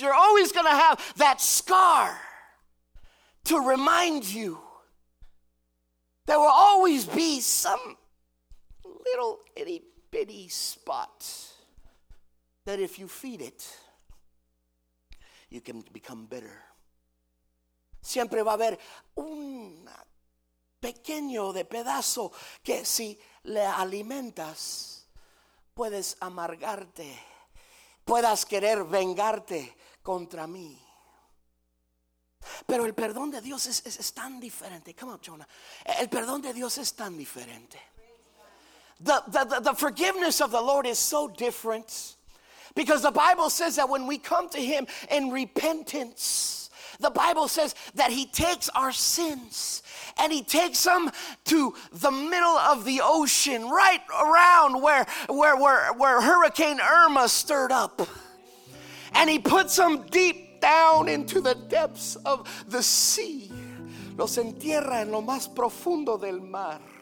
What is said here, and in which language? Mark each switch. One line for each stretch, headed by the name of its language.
English: You're always going to have that scar to remind you. There will always be some little itty bitty spot that if you feed it, you can become bitter.
Spanish: Siempre va a haber un pequeño de pedazo que si le alimentas, puedes amargarte, puedas querer vengarte contra mí. Pero el perdón de Dios es tan diferente.
English: Come on,
Spanish: Jonah. El perdón de Dios es tan diferente.
English: The forgiveness of the Lord is so different, because the Bible says that when we come to Him in repentance, the Bible says that He takes our sins and He takes them to the middle of the ocean, right around where Hurricane Irma stirred up, and He puts them deep down into the depths of the sea.
Spanish: Los entierra en lo más profundo del mar.